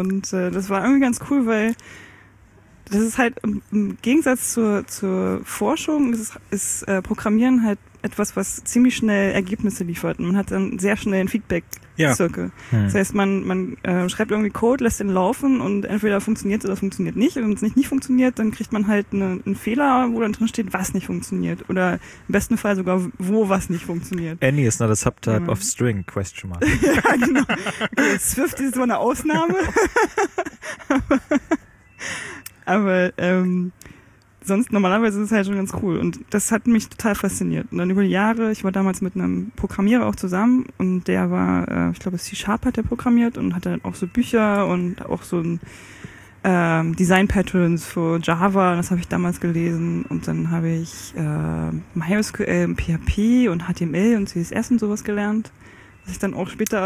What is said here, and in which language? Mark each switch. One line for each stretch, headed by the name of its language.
German: Und das war irgendwie ganz cool, weil das ist halt im Gegensatz zur Forschung, ist Programmieren halt etwas, was ziemlich schnell Ergebnisse liefert. Man hat dann sehr schnell einen Feedback-Zirkel. Ja. Das heißt, man schreibt irgendwie Code, lässt den laufen und entweder funktioniert es oder funktioniert nicht. Und wenn es nicht funktioniert, dann kriegt man halt einen Fehler, wo dann drin steht, was nicht funktioniert. Oder im besten Fall sogar, wo was nicht funktioniert.
English: Any is not a subtype of string, question mark.
German: Ja, genau. Okay, Swift ist so eine Ausnahme. Aber sonst normalerweise ist es halt schon ganz cool und das hat mich total fasziniert. Und dann über die Jahre, ich war damals mit einem Programmierer auch zusammen und der war, ich glaube C-Sharp hat der programmiert und hatte dann auch so Bücher und auch so ein Design-Patterns für Java, das habe ich damals gelesen und dann habe ich MySQL und PHP und HTML und CSS und sowas gelernt, was ich dann auch später...